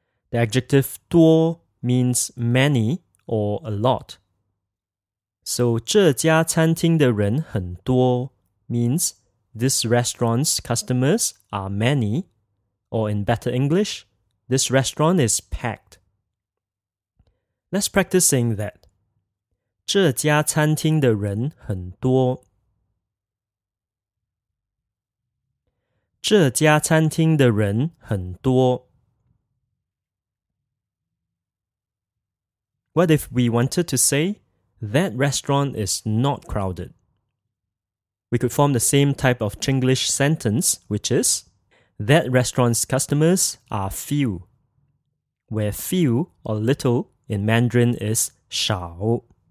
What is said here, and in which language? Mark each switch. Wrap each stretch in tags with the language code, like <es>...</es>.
<en>The adjective 多 means many or a lot. So,</en> <zh>这家餐厅的人很多</zh> <en>means this restaurant's customers are many, or in better English, this restaurant is packed. Let's practice saying that.</en> <zh>这家餐厅的人很多这家餐厅的人很多。</zh> <en>What if we wanted to say, that restaurant is not crowded? We could form the same type of Chinglish sentence, which is, that restaurant's customers are few, where few or little in Mandarin is 少。</en>